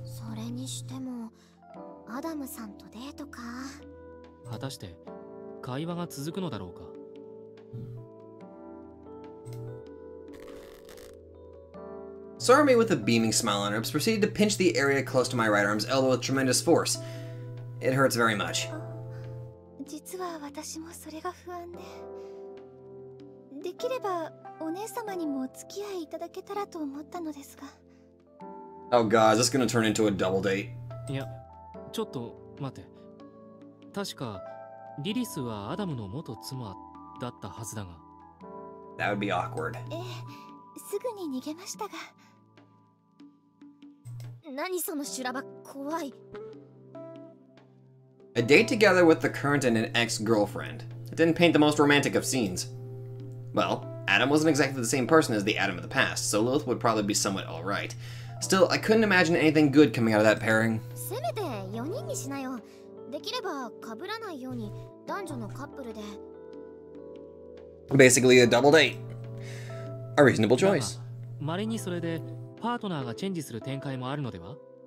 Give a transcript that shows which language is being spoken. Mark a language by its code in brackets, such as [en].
[ja] それにしても、アダムさんとデートか。果たして、会話が続くのだろうか。 [en] Sorami, with a beaming smile on her lips, proceeded to pinch the area close to my right arm's elbow with tremendous force. It hurts very much. [ja] 実は私もそれが不安で。できれば、お姉様にも付き合いいただけたらと思ったのですが。 [en] Oh god, is this gonna turn into a double date? [ja] いや、ちょっと待て。確か、リリスはアダムの元妻だったはずだが。 [en] That would be awkward. [ja] ええ、すぐに逃げましたが。何その修羅場、怖い。 [en] A date together with the current and an ex-girlfriend. It didn't paint the most romantic of scenes. Well, Adam wasn't exactly the same person as the Adam of the past, so Lilith would probably be somewhat alright. Still, I couldn't imagine anything good coming out of that pairing. [ja] せめて4人にしなよ。できれば被らないように男女のカップルで。 [en] Basically a double date. A reasonable choice. [ja] まれにそれでパートナーがチェンジする展開もあるのでは？